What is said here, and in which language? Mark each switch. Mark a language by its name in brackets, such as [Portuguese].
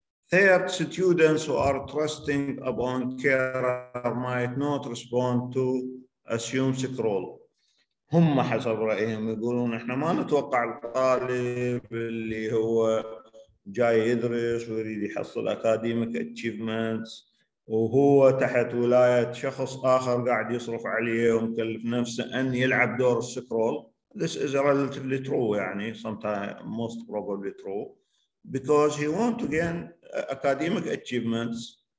[English] Third, students who are trusting upon carer might not respond to assume sick role. [Arabic] هم حسب رأيهم يقولون احنا ما نتوقع الطالب اللي هو جاي يدرس ويريد يحصل [English] academic achievements [Arabic] وهو تحت ولاية شخص آخر قاعد يصرف عليه ومكلف نفسه أن يلعب دور السيك رول. [English] This is relatively true, يعني sometimes most probably true because he want to gain academic achievements.